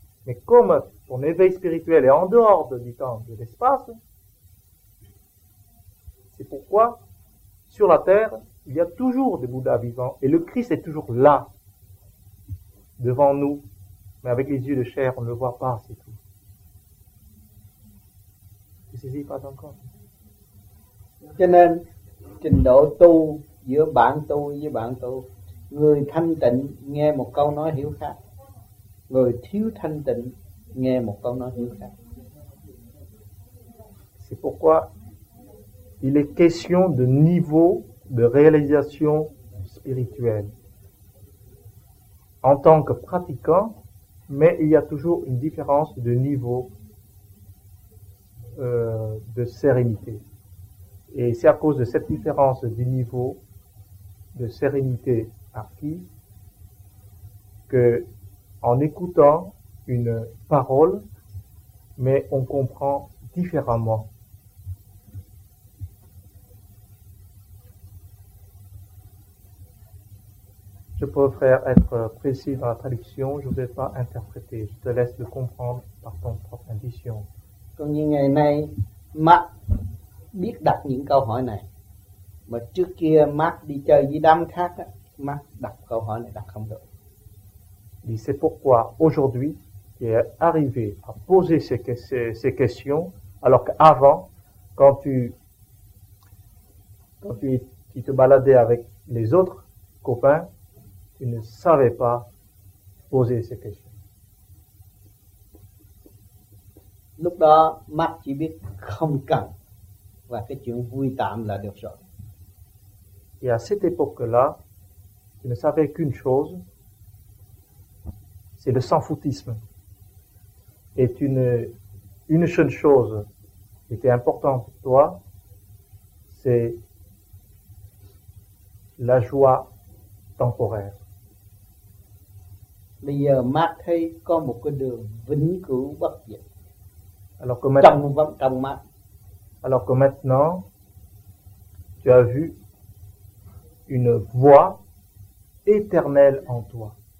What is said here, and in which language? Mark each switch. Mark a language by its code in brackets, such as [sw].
[fr] Mais comme ton éveil spirituel est en dehors du temps et de l'espace, c'est pourquoi sur la terre, il y a toujours des Bouddhas vivants et le Christ est toujours là, devant nous. Mais avec les yeux de chair, on ne le voit pas, c'est tout. Tu ne saisis pas encore? [vi] Cho nên trình độ tu giữa bạn tu với bạn tu, người thanh tịnh nghe một câu nói hiểu khác, người thiếu thanh tịnh nghe một câu nói hiểu khác. [fr] C'est pourquoi il est question de niveau de réalisation spirituelle en tant que pratiquant, mais il y a toujours une différence de niveau de sérénité. Et c'est à cause de cette différence du niveau de sérénité acquis que, en écoutant une parole, mais on comprend différemment. Je peux, frère, être précis dans la traduction, je ne vais pas interpréter, je te laisse le comprendre par ton propre intuition. [vi] Còn như ngày nay, Mark biết đặt những câu hỏi này. Mà trước kia Mark đi chơi với đám khác, Mark đặt câu hỏi này đặt không được. [fr] Et c'est pourquoi aujourd'hui, tu es arrivé à poser ces questions, alors qu'avant, quand tu te baladais avec les autres copains, tu ne savais pas poser ces questions. [vi] Lúc đó Mark chỉ biết không cần và cái chuyện vui tạm là được rồi. [fr] Et à cette époque-là, tu ne savais qu'une chose, c'est le sans-foutisme. Et une seule chose qui était importante pour toi, c'est la joie temporaire. [vi] Bây giờ Mark thấy có một cái đường vĩnh cửu bất diệt. [fr] Alors que maintenant, tu as vu une voie éternelle en toi.